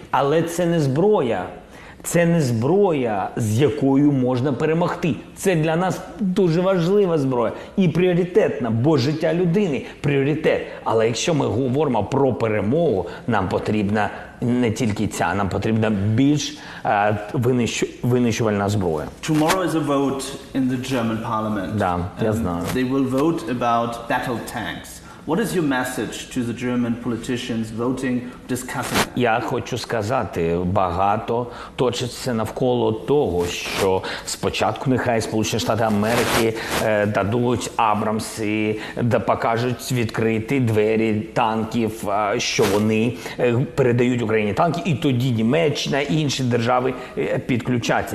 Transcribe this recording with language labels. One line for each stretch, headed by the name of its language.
Ukrainian: Але це не зброя. Це не зброя, з якою можна перемогти. Це для нас дуже важлива зброя і пріоритетна, бо життя людини – пріоритет. Але якщо ми говоримо про перемогу, нам потрібна не тільки ця, нам потрібна більш винищувальна зброя.
English: Tomorrow is a vote in the German parliament.
Ukrainian: Да, я знаю.
English: They will vote about battle tanks. What is your message to the German politicians voting, discussing?
Ukrainian: Я хочу сказати, багато точиться навколо того, що спочатку нехай Сполучені Штати Америки дадуть Абрамси, покажуть відкриті двері танків, що вони передають Україні танки, і тоді Німеччина і інші держави підключаться.